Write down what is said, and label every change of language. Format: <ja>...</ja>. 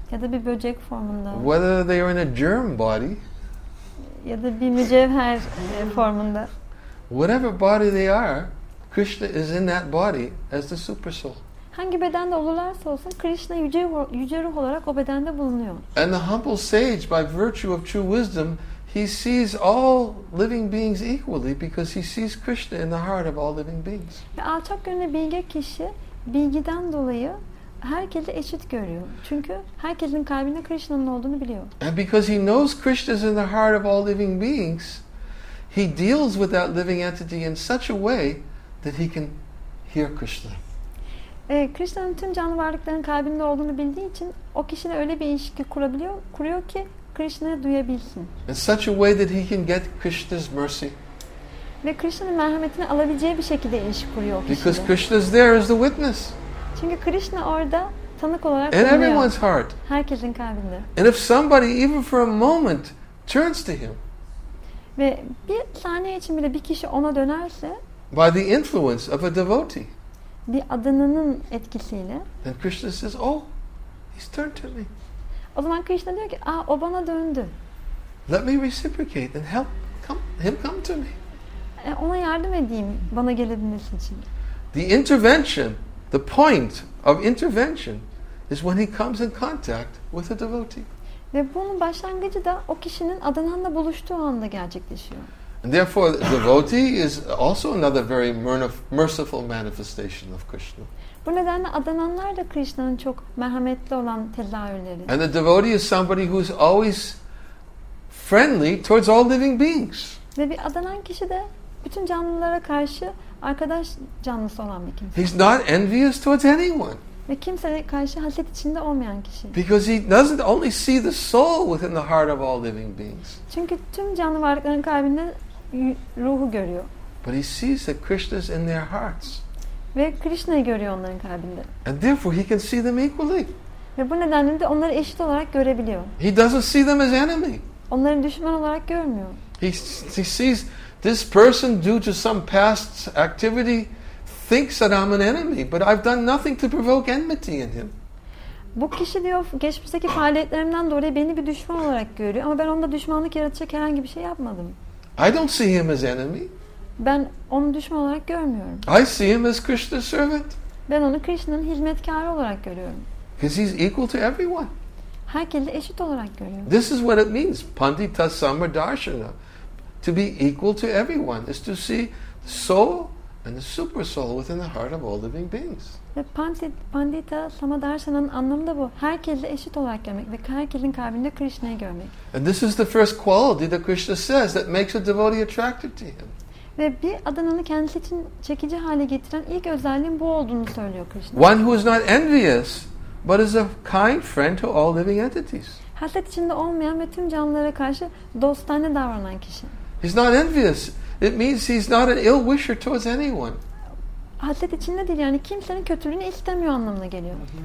<tr>Ya da bir böcek formunda.</tr> <en>Whether they are in a germ body.</en> <tr>Ya da bir mücevher formunda.</tr> <en>Whatever body they are, Krishna is in that body as the super soul.</en> <tr>Hangi bedende olurlarsa olsun Krishna yüce ruh olarak o bedende bulunuyor.</tr> <en>And the humble sage by virtue of true wisdom, he sees all living beings equally because he sees Krishna in the heart of all living beings.</en> <tr>Ve alçak gönüllü bilge kişi bilgiden dolayı herkesi eşit görüyor. Çünkü herkesin kalbinde Krishna'nın olduğunu biliyor.</tr> <en>And because he knows Krishna is in the heart of all living beings, he deals with that living entity in such a way that he can hear Krishna.</en> <tr>Krishna'nın tüm canlı varlıkların kalbinde olduğunu bildiği için o kişiyle öyle bir ilişki kuruyor ki Krishna'yı duyabilsin.</tr> <en>In such a way that he can get Krishna's mercy.</en> <tr>Ve Krishna'nın merhametini alabileceği bir şekilde ilişki kuruyor.</tr> <en>Because Krishna is there as the witness.</en> <tr>Çünkü Krishna orada tanık olarak duruyor.</tr> <en>In everyone's heart.</en> <tr>Herkesin kalbinde.</tr> <en>And if somebody even for a moment turns to him.</en> <tr>Ve bir saniye için bile bir kişi ona dönerse.</tr> <en>By the influence of a devotee.</en> <tr>Bir adanının etkisiyle.</tr> <en>Then Krishna says, "Oh, he's turned to me."</en> <tr>O zaman Krishna diyor ki, "Aa, o bana döndü."</tr> <en>Let me reciprocate and help him come to me.</en> <tr>Ona yardım edeyim, bana gelebilmesi için.</tr> <en>The intervention, the point of intervention, is when he comes in contact with a devotee.</en> <tr>Ve bunun başlangıcı da o kişinin adananla buluştuğu anda gerçekleşiyor.</tr> <en>And therefore, the devotee is also another very merciful manifestation of Krishna.</en> <tr>Bu nedenle adananlar da Krishna'nın çok merhametli olan tezahürleri.</tr> <en>And the devotee is somebody who is always friendly towards all living beings.</en> <tr>Ve bir adanan kişi de bütün canlılara karşı arkadaş canlısı olan bir kimse.</tr> <en>He's not envious towards anyone.</en> <tr>Ve kimseye karşı haset içinde olmayan kişi.</tr> <en>Because he doesn't only see the soul within the heart of all living beings.</en> <tr>Çünkü tüm canlı varlıkların kalbinde ruhu görüyor.</tr> <en>But he sees that Krishna's in their hearts.</en> <tr>Ve Krishna'yı görüyor onların kalbinde.</tr> <en>And therefore he can see them equally.</en> <tr>Ve bu nedenle de onları eşit olarak görebiliyor.</tr> <en>He doesn't see them as enemy.</en> <tr>Onları düşman olarak görmüyor.</tr> <en>He sees this person due to some past activity thinks that I'm an enemy, but I've done nothing to provoke enmity in him.</en> <tr>Bu kişi diyor geçmişteki faaliyetlerimden dolayı beni bir düşman olarak görüyor ama ben onda düşmanlık yaratacak herhangi bir şey yapmadım.</tr> <en>I don't see him as enemy.</en> <tr>Ben onu düşman olarak görmüyorum.</tr> <en>I see him as Krishna's servant.</en> <tr>Ben onu Krishna'nın hizmetkarı olarak görüyorum.</tr> <en>Because he's equal to everyone.</en> <tr>Herkesi eşit olarak görüyor.</tr> <en>This is what it means, Pandita Samardarshana. To be equal to everyone is to see the soul and the super soul within the heart of all living beings.</en> <tr>Ve Pandita Samardarshana'nın anlamı da bu. Herkesi eşit olarak görmek ve herkesin kalbinde Krishna'yı görmek.</tr> <en>And this is the first quality that Krishna says that makes a devotee attracted to him.</en> <tr>Ve bir adananı kendisi için çekici hale getiren ilk özelliğin bu olduğunu söylüyor Krishna.</tr> <en>One who is not envious but is a kind friend to all living entities.</en> <tr>Haset içinde olmayan ve tüm canlılara karşı dostane davranan kişi.</tr> <en>He's not envious. It means he's not an ill wisher towards anyone.</en> <tr>Haset içinde değil yani kimsenin kötülüğünü istemiyor anlamına geliyor.</tr>